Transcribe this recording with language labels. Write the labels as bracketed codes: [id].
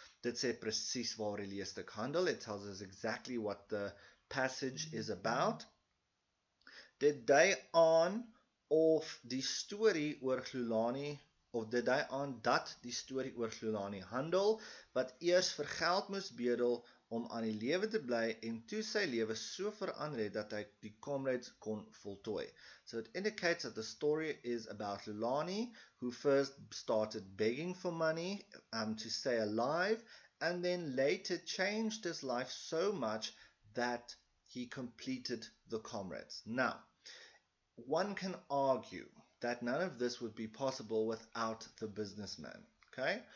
[af] Dit sê presies waar die leesstuk handel. [en] It tells us exactly what the passage is about. [af] Did they on of die storie oor Glulani, of did they on dat die storie oor Glulani handel, wat eers vir geld moes bedel om aan die lewe te bly en toe sy lewe so verander het dat hy die comrades kon voltooi. [en] So it indicates that the story is about Lulani, who first started begging for money to stay alive, and then later changed his life so much that he completed the comrades. Now, one can argue that none of this would be possible without the businessman, okay?